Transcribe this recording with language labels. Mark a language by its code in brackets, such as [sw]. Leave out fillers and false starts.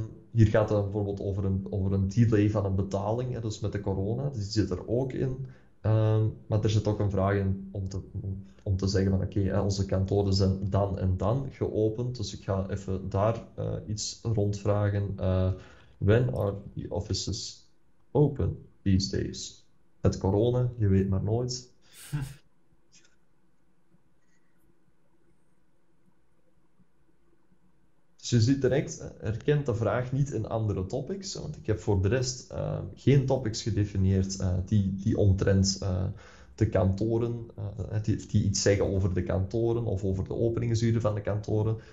[nl] Hier gaat het bijvoorbeeld over een delay van een betaling. Hè, dus met de corona, die zit er ook in. Maar er zit ook een vraag in om te zeggen van oké, onze kantoren zijn dan en dan geopend. Dus ik ga even daar iets rondvragen. [en] When are the offices open these days? [nl] Met corona, je weet maar nooit. Dus je ziet direct, herkent de vraag niet in andere topics, want ik heb voor de rest geen topics gedefinieerd die omtrent de kantoren, die iets zeggen over de kantoren of over de openingsuren van de kantoren.